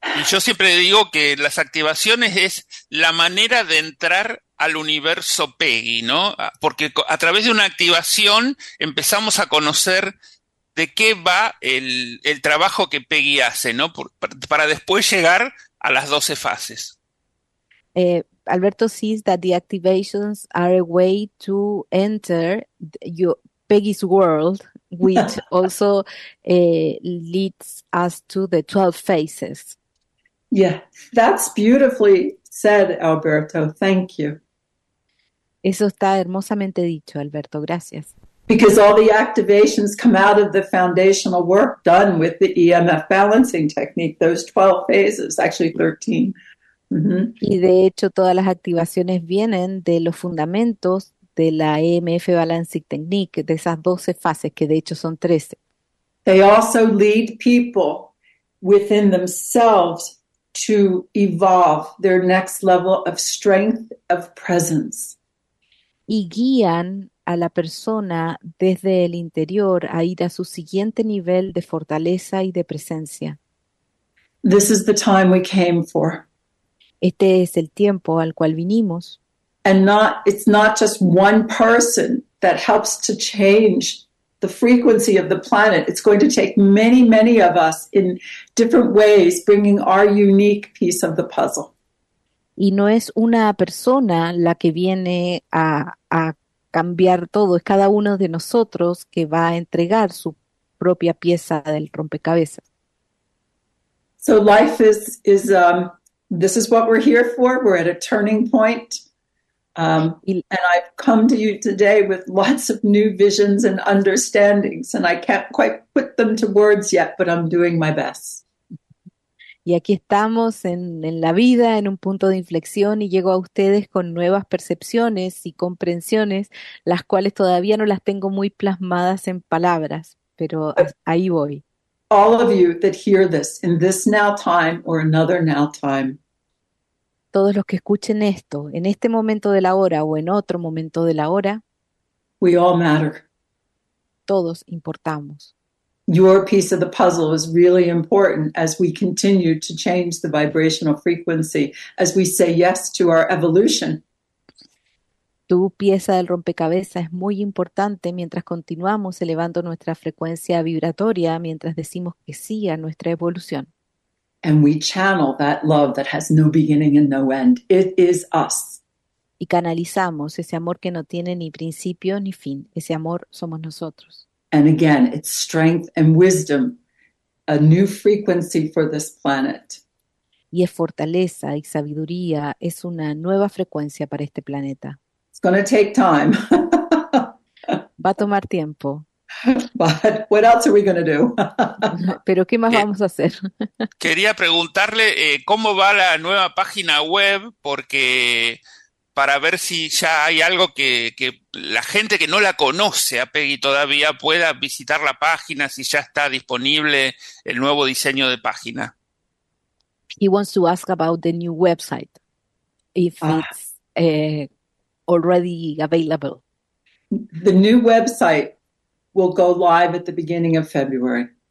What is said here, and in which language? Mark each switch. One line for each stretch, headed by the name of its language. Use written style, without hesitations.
Spanish: Yo siempre digo que las activaciones es la manera de entrar al universo Peggy, ¿no? Porque a través de una activación empezamos a conocer de qué va el trabajo que Peggy hace, ¿no? Para después llegar a las 12 fases.
English: Alberto sees that the activations are a way to enter Peggy's world, which also leads us to the 12 phases. Yeah, that's beautifully said, Alberto. Thank you.
Spanish: Eso está hermosamente dicho, Alberto. Gracias.
English: Because all the activations come out of the foundational work done with the EMF balancing technique, those 12 phases, actually 13. Mm-hmm.
Spanish: Y de hecho, todas las activaciones vienen de los fundamentos de la EMF balancing technique, de esas 12 fases, que de hecho son 13.
English: They also lead people within themselves to evolve their next level of strength of presence.
Spanish: Y guían a la persona desde el interior a ir a su siguiente nivel de fortaleza y de presencia.
English: This is the time we came for.
Spanish: Este es el tiempo al cual vinimos.
English: And it's not just one person that helps to change the frequency of the planet. It's going to take many, many of us in different ways bringing our unique piece of the puzzle.
Spanish: Y no es una persona la que viene a cambiar todo. Es cada uno de nosotros que va a entregar su propia pieza del rompecabezas.
English: So life is this is what we're here for. We're at a turning point. And I've come to you today with lots of new visions and understandings, and I can't quite put them to words yet, but I'm doing my best.
Spanish: Y aquí estamos en la vida, en un punto de inflexión, y llego a ustedes con nuevas percepciones y comprensiones, las cuales todavía no las tengo muy plasmadas en palabras, pero ahí voy.
English: All of you that hear this, in this now time or another now time,
Spanish: todos los que escuchen esto, en este momento de la hora o en otro momento de la hora,
English: we all matter.
Spanish: Todos importamos.
English: Your piece of the puzzle is really important as we continue to change the vibrational frequency, as we say yes to our evolution.
Spanish: tu pieza del rompecabezas es muy importante mientras continuamos elevando nuestra frecuencia vibratoria, mientras decimos que sí a nuestra evolución.
English: And we channel that love that has no beginning and no end. It is us.
Spanish: Y canalizamos ese amor que no tiene ni principio ni fin. Ese amor somos nosotros.
English: And again, it's strength and wisdom, a new frequency for this planet.
Spanish: Y es fortaleza y sabiduría, es una nueva frecuencia para este planeta.
English: It's going to take time.
Spanish: Va a tomar tiempo.
English: But what else are we going to do?
Spanish: Pero ¿qué más vamos a hacer? Quería preguntarle cómo va la nueva página web, porque para ver si ya hay algo que la gente que no la conoce a Peggy todavía pueda visitar la página, si ya está disponible el nuevo diseño de página.
English: He wants to ask about the new website, if it's already available. The new website will go live at the beginning of February.